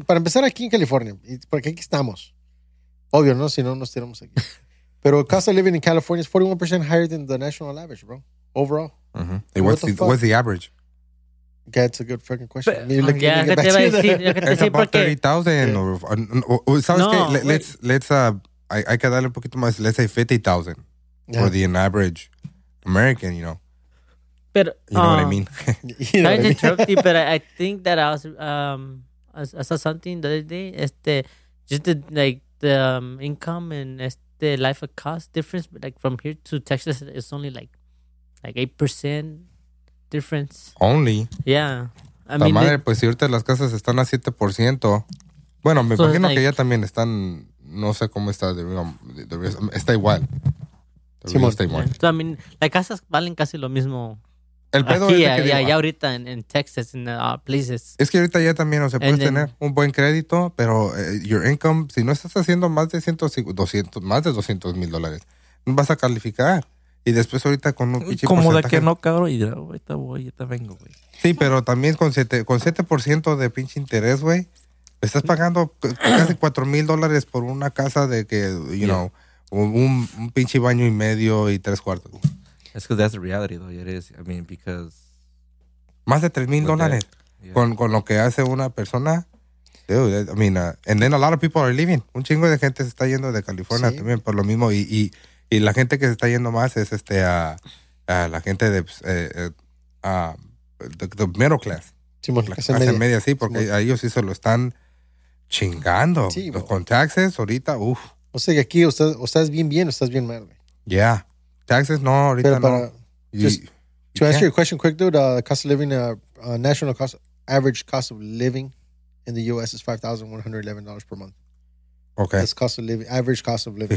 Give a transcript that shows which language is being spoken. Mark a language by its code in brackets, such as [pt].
[es] Para empezar aquí en California, porque aquí estamos. Obvio, ¿no? Si no, nos tiramos aquí. Pero [en] cost of living in California is 41% higher than the national average, bro. Overall. Uh-huh. Hey, what's the average? That's a good fucking question. [es] Pero, que ya que te iba a decir. Que [en] it's about 30,000. Yeah. [es] ¿Sabes no, qué? [en] Let's [es] hay que darle un poquito más, [en] let's say 50,000 for the average American, you know. [es] Pero, [en] you know what I mean? Sorry to interrupt you, but I think that I saw something the other day. Just the, like the income and the life of cost difference, but like from here to Texas, it's only like 8% difference. Only? Yeah. I mean, [es] madre, pues si ahorita las casas están a 7%. Bueno, me imagino que ya también están... No sé cómo está. Está igual. Sí, está igual. [en] So, I mean, [es] las casas valen casi lo mismo. El pedo aquí, es aquí, ya ahorita en Texas, en places. Es que ahorita ya también, o sea, puedes then, tener un buen crédito, pero [en] your income, [es] si no estás haciendo más de 200, más de $200,000, no vas a calificar. Y después ahorita con un pinche como de que no, cabrón, y ahorita voy, ahorita vengo, güey. Sí, pero también con 7% de pinche interés, güey. Estás pagando casi $4,000 por una casa de que, un pinche baño y medio y 3/4. Es que [en] that's the reality, though. It is. I mean, because... [es] Más de $3,000 con lo que hace una persona. [en] Dude, I mean, and then a lot of people are leaving. [es] Un chingo de gente se está yendo de California también por lo mismo. Y la gente que se está yendo más es a la gente de [en] the middle class. [es] Sí, la clase media, sí, porque a ellos sí se lo están... chingando. Sí, con taxes ahorita, uff. O sea, que aquí o estás bien o estás bien mal, güey. Yeah. Taxes, no, ahorita no. [en] Para, to answer your question quick, dude, cost of living, national cost, average cost of living in the U.S. is $5,111 per month. Okay. That's cost of living, average cost of living.